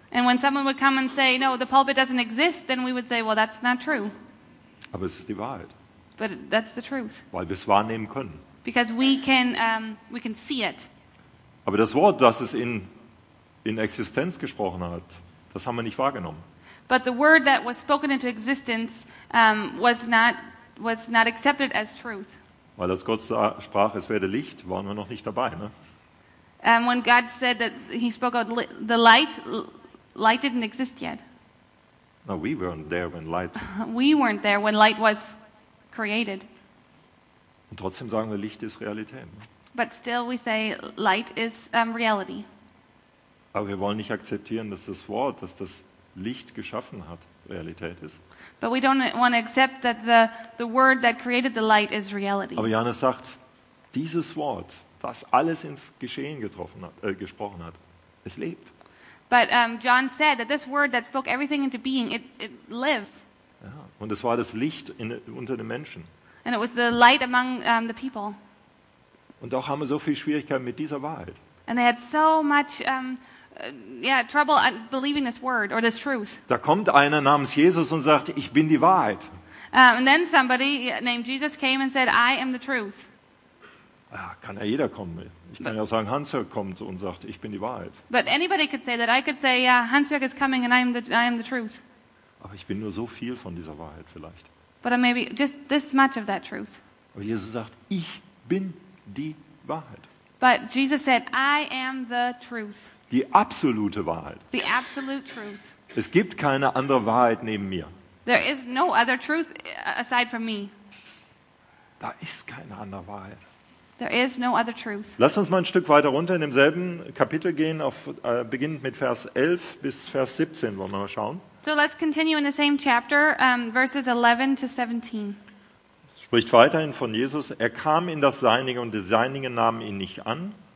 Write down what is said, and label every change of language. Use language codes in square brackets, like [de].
[en] And when someone would come and say, no, the pulpit doesn't exist, then we would say, well, that's not true. [de] Aber es ist die Wahrheit. [en] But that's the truth. [de] Weil wir es wahrnehmen können. [en] Because we can see it. [de] Aber das Wort, das es in Existenz gesprochen hat, das haben wir nicht wahrgenommen. [en] But the word that was spoken into existence was not accepted as truth. [de] Weil als Gott sprach, es werde Licht, waren wir noch nicht dabei, ne? [en] When God said that he spoke out the light, light didn't exist yet. No, we weren't there when light. We weren't there when light was created. [de] Und trotzdem sagen wir, Licht ist Realität. Ne? [en] But still we say light is reality. [de] Aber wir wollen nicht akzeptieren, dass das Wort, dass das Licht geschaffen hat, Realität ist. [en] But we don't want to accept that the word that created the light is reality. [de] Aber Johannes sagt, dieses Wort, das alles ins Geschehen getroffen hat, gesprochen hat, es lebt. [en] But John said that this word that spoke everything into being, it lives. [de] Ja, und es war das Licht unter den Menschen. [en] And it was the light among the people. [de] Und auch haben wir so viel Schwierigkeiten mit dieser Wahrheit. [en] And they had so much trouble believing this word or this truth. [de] Da kommt einer namens Jesus und sagt, ich bin die Wahrheit. [en] And then somebody named Jesus came and said, I am the truth. [de] Ja, kann ja jeder kommen. Ich kann ja auch sagen, Hans-Jörg kommt und sagt, ich bin die Wahrheit. [en] But anybody could say that. I could say, yeah, Hans-Jörg is coming and I am the truth. [de] Aber ich bin nur so viel von dieser Wahrheit vielleicht. [en] But I may be just this much of that truth. [de] Aber Jesus sagt, ich bin die Wahrheit. [en] But Jesus said, I am the truth. [de] Die absolute Wahrheit. [en] The absolute truth. [de] Es gibt keine andere Wahrheit neben mir. [en] There is no other truth aside from me. [de] Da ist keine andere Wahrheit. [en] There is no other truth. [de] Lass uns mal ein Stück weiter runter in demselben Kapitel gehen, beginnend mit Vers 11 bis Vers 17, wollen wir mal schauen. [en] So let's continue in the same chapter, verses 11 to 17. [de] Spricht weiterhin von Jesus. Er kam in das Seinige und die Seinigen nahmen ihn nicht an.